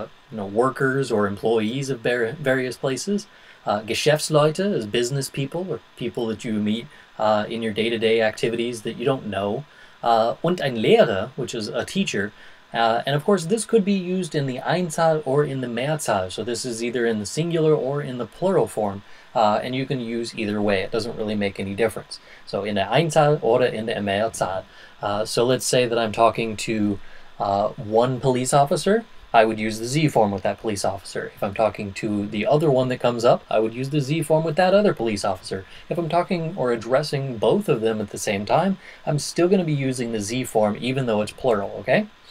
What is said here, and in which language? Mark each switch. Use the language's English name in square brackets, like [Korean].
[English] workers or employees of various places, Geschäftsleute is business people or people that you meet in your day-to-day activities that you don't know, [German] und ein Lehrer, [English] which is a teacher, and of course this could be used in the Einzahl or in the Mehrzahl, so this is either in the singular or in the plural form. And you can use either way. It doesn't really make any difference. [German] So in der Einzahl oder in der Mehrzahl. [English] So let's say that I'm talking to one police officer. I would use the Z form with that police officer. If I'm talking to the other one that comes up, I would use the Z form with that other police officer. If I'm talking or addressing both of them at the same time, I'm still going to be using the Z form even though it's plural, okay?